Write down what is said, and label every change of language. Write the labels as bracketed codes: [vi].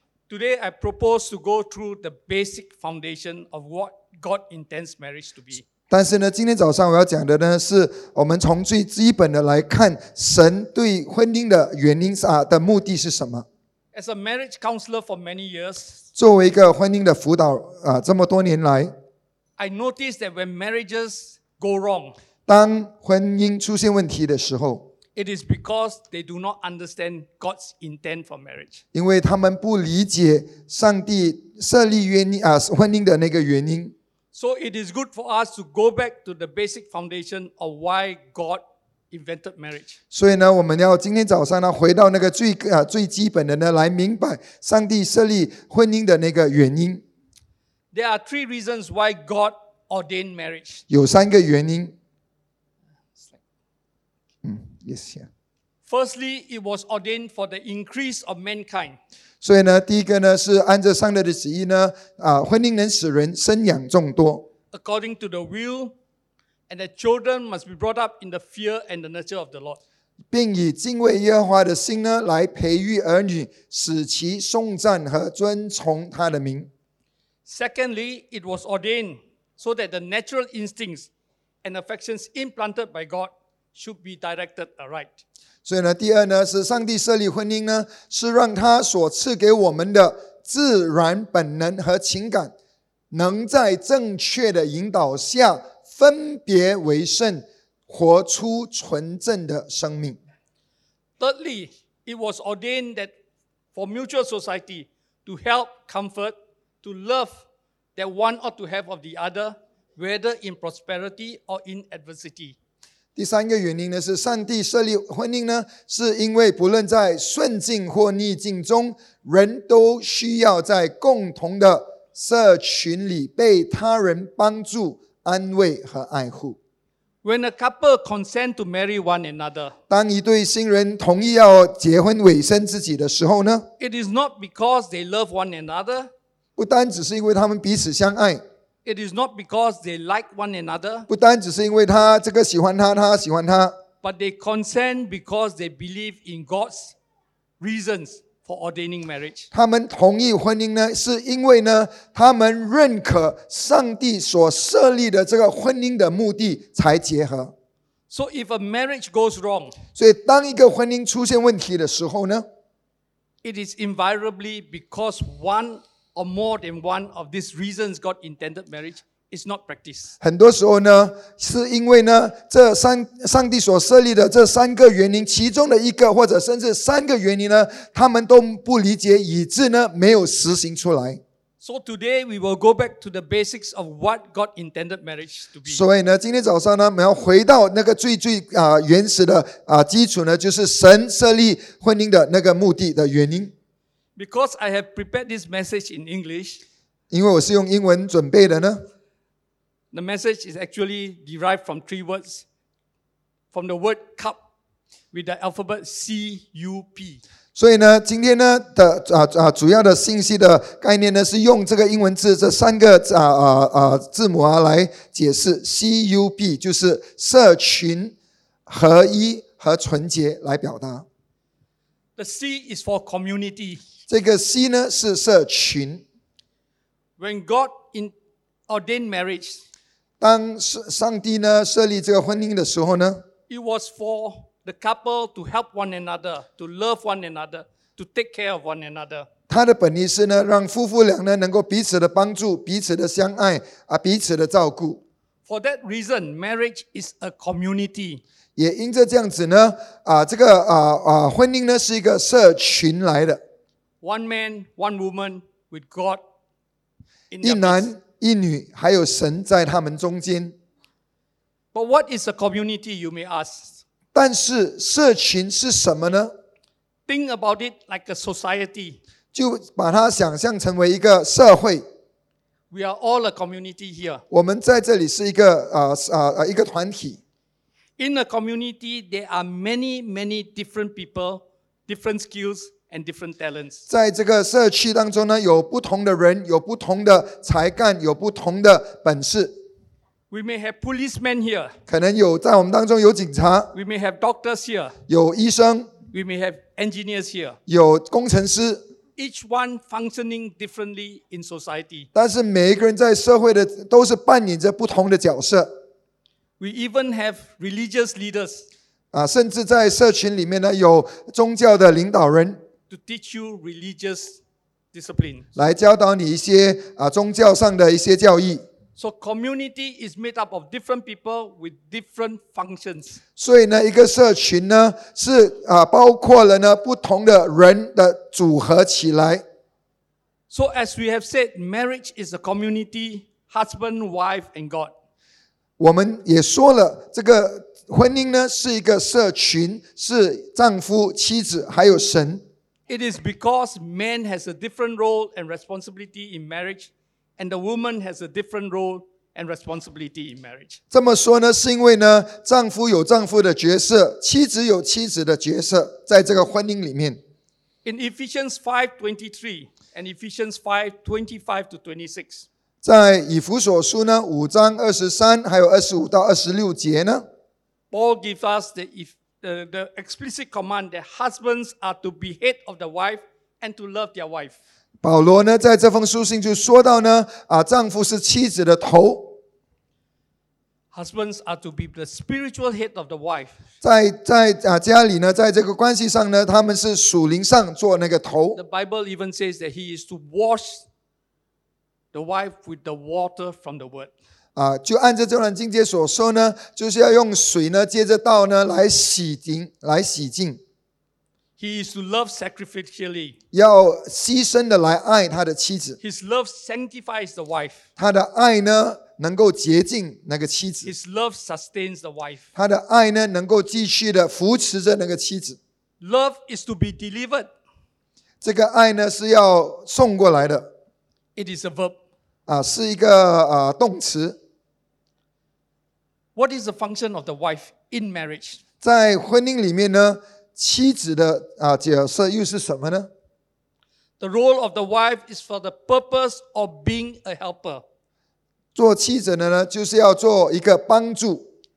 [en] Today, I propose to go through the basic foundation of what God intends marriage to be. [zh] 但是呢，今天早上我要讲的呢，是我们从最基本的来看，神对婚姻的原因的目的是什么 [en] ？As a marriage counselor for many years, [zh] 作为一个婚姻的辅导这么多年来。 [en] I noticed that when marriages go wrong, [zh] 当婚姻出现问题的时候 [en] it is because they do not understand God's intent for marriage. [zh] 因为他们不理解上帝设立婚姻的那个原因。 [en] So it is good for us to go back to the basic foundation of why God invented marriage. [zh] 所以呢，我们要今天早上呢，回到那个最基本的呢，来明白上帝设立婚姻的那个原因。 [en] There are three reasons why God ordained marriage. [zh] 有三个原因。 [en] Yes, yeah. Firstly, it was ordained for the increase of mankind. [zh] 所以呢，第一个呢是按着上帝的旨意呢，婚姻能使人生养众多。 [en] According to the will, and the children must be brought up in the fear and the nurture of the Lord. [zh] 并以敬畏耶和华的心呢来培育儿女，使其颂赞和尊崇他的名。 [en] Secondly, it was ordained so that the natural instincts and affections implanted by God should be directed aright. [zh] 所以呢，第二呢，是上帝设立婚姻呢，是让他所赐给我们的自然本能和情感，能在正确的引导下分别为圣，活出纯正的生命。 [en] Thirdly, it was ordained that for mutual society to help, comfort, to love that one ought to have of the other, whether in prosperity or in adversity. [zh] 第三个原因呢，是上帝设立婚姻呢，是因为不论在顺境或逆境中，人都需要在共同的社群里被他人帮助、安慰和爱护。 [en] When a couple consent to marry one another, [zh] 当一对新人同意要结婚委身自己的时候呢， [en] it is not because they love one another, [zh] 不单只是因为他们彼此相爱， [en] it is not because they like one another, [zh] 不单只是因为他这个喜欢他，他喜欢他， [en] but they consent because they believe in God's reasons for ordaining marriage. [zh] 他们同意婚姻呢，是因为呢，他们认可上帝所设立的这个婚姻的目的才结合。 [en] So if a marriage goes wrong, [zh] 所以当一个婚姻出现问题的时候呢， [en] it is invariably because one or more than one of these reasons God intended marriage is not practiced. [zh] 很多时候呢，是因为呢，这上帝所设立的这三个原因，其中的一个或者甚至三个原因呢，他们都不理解，以致呢没有实行出来。 [en] So today we will go back to the basics of what God intended marriage to be. [zh] 所以呢，今天早上呢，我们要回到那个最原始的基础呢，就是神设立婚姻的那个目的的原因。 [en] Because I have prepared this message in English. [zh] 因为我是用英文准备的呢。 [en] The message is actually derived from three words, from the word cup with the alphabet C-U-P. [zh] 所以呢，今天呢的主要的信息的概念呢，是用这个英文字这三个字母啊来解释 C-U-P， 就是社群、合一和纯洁来表达。 [en] The C is for community. [zh] 这个 C 呢是社群。 [en] When God ordained marriage. [zh] 当上帝呢设立这个婚姻的时候呢， [en] it was for the couple to help one another, to love one another, to take care of one another. [zh] 他的本意是呢，让夫妇俩呢能够彼此的帮助、彼此的相爱啊、彼此的照顾。 [en] For that reason, marriage is a community. [zh] 也因着这样子呢，这个婚姻呢是一个社群来的。 [en] One man, one woman with God. [zh] 一男。一女还有神在他们中间。 [en] But what is a community, you may ask? [zh] 但是社群是什么呢？ [en] Think about it like a society. [zh] 就把它想象成为一个社会。 [en] We are all a community here. [zh] 我们在这里是一个一个团体。 [en] In a community, there are many, many different people, different skills. And different talents. [zh] 在这个社区当中呢，有不同的人，有不同的才干，有不同的本事。 [en] We may have policemen here. [zh] 可能有在我们当中有警察。 [en] We may have doctors here. [zh] 有医生。 [en] We may have engineers here. [zh] 有工程师。 [en] Each one functioning differently in society. [zh] 但是每一个人在社会的都是扮演着不同的角色。 [en] We even have religious leaders. [zh] 甚至在社群里面呢，有宗教的领导人 [en] to teach you religious discipline. [zh] 来教导你一些宗教上的一些教义。 [en] So community is made up of different people with different functions. [zh] 所以呢，一个社群呢是包括了呢不同的人的组合起来。 [en] So as we have said, marriage is a community, husband, wife, and God. [zh] 我们也说了这个。婚姻呢是一个社群，是丈夫、妻子还有神。 [en] It is because man has a different role and responsibility in marriage, and the woman has a different role and responsibility in marriage. [zh] 这么说呢，是因为呢，丈夫有丈夫的角色，妻子有妻子的角色，在这个婚姻里面。 [en] In Ephesians 5:23 and Ephesians 5:25-26, [zh] 在以弗所书呢五章二十三还有二十五到二十六节呢。 [en] Paul gives us the explicit command that husbands are to be head of the wife and to love their wife. [zh] 保罗呢在这封书信就说到呢、啊、丈夫是妻子的头。 [en] Husbands are to be the spiritual head of the wife. [zh] 在、啊、家里呢，在这个关系上呢，他们是属灵上做那个头。 [en] The Bible even says that he is to wash the wife with the water from the word. [zh] 啊，就按照这段经节所说呢，就是要用水呢，接着道呢来洗净，来洗净。 [en] He is to love sacrificially. [zh] 要牺牲的来爱他的妻子。 [en] His love sanctifies the wife. [zh] 他的爱呢？能够洁净那个妻子。 [en] His love sustains the wife. [zh] 他的爱呢，能够继续的扶持着那个妻子。 [en] Love is to be delivered. [zh] 这个爱呢，是要送过来的。 [en] It is a verb. [zh] 啊，是一个啊动词。 [en] What is the function of the wife in marriage? [zh] 在婚姻里面呢，妻子的啊角色又是什么呢？ [en] The role of the wife is for the purpose of being a helper. [zh] 做妻子的呢，就是要做一个帮助。